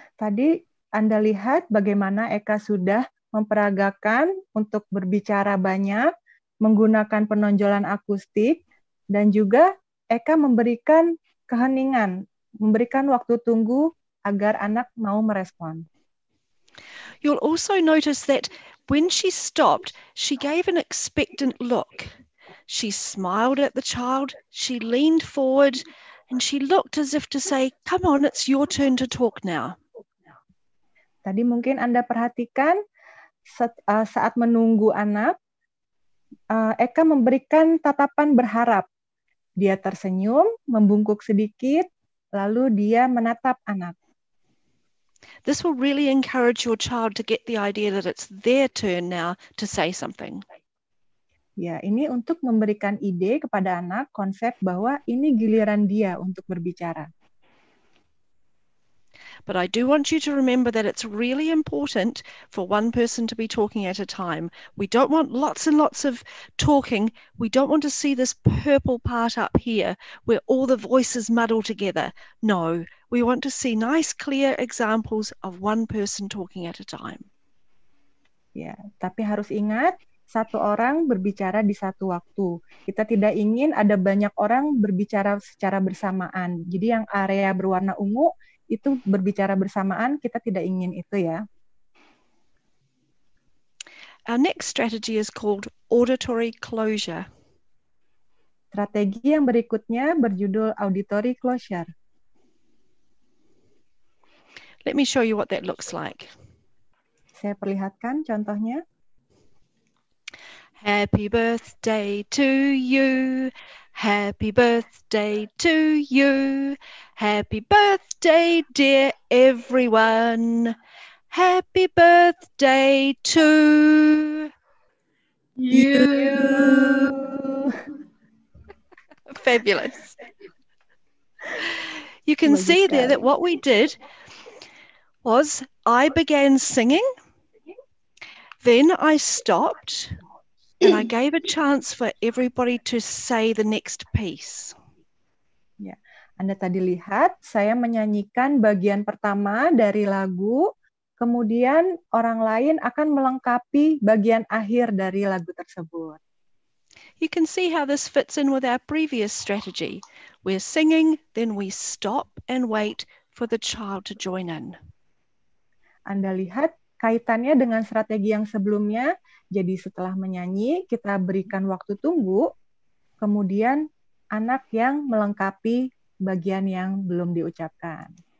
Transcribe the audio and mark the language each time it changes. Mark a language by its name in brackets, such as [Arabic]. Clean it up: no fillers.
[Indonesian] Tadi Anda lihat bagaimana Eka sudah memperagakan untuk berbicara banyak, menggunakan penonjolan akustik, dan juga Eka memberikan keheningan, memberikan waktu tunggu agar anak mau merespon. [English] You'll also notice that when she stopped, she gave an expectant look. She smiled at the child, she leaned forward, and she looked as if to say, come on, it's your turn to talk now. [Indonesian] Tadi mungkin Anda perhatikan, saat menunggu anak, Eka memberikan tatapan berharap. Dia tersenyum, membungkuk sedikit, lalu dia menatap anak. [English] This will really encourage your child to get the idea that it's their turn now to say something. [Indonesian] Ya, ini untuk memberikan ide kepada anak konsep bahwa ini giliran dia untuk berbicara. [English] But I do want you to remember that it's really important for one person to be talking at a time. We don't want lots and lots of talking. We don't want to see this purple part up here where all the voices muddle together. No, we want to see nice, clear examples of one person talking at a time. [Indonesian] Yeah, tapi harus ingat, satu orang berbicara di satu waktu. Kita tidak ingin ada banyak orang berbicara secara bersamaan. Jadi yang area berwarna ungu, itu berbicara bersamaan, kita tidak ingin itu ya. [English] Our next strategy is called auditory closure. [Indonesian] Strategi yang berikutnya berjudul auditory closure. [English] Let me show you what that looks like. [Indonesian] Saya perlihatkan contohnya. [English] Happy birthday to you. Happy birthday to you. Happy birthday, dear everyone. Happy birthday to... You. Fabulous. You can see there that what we did was I began singing, then I stopped, and I gave a chance for everybody to say the next piece. [Indonesian] Anda tadi lihat, saya menyanyikan bagian pertama dari lagu, kemudian orang lain akan melengkapi bagian akhir dari lagu tersebut. [English] You can see how this fits in with our previous strategy. We're singing, then we stop and wait for the child to join in. [Indonesian] Anda lihat kaitannya dengan strategi yang sebelumnya, jadi setelah menyanyi, kita berikan waktu tunggu, kemudian anak yang melengkapi bagian yang belum diucapkan.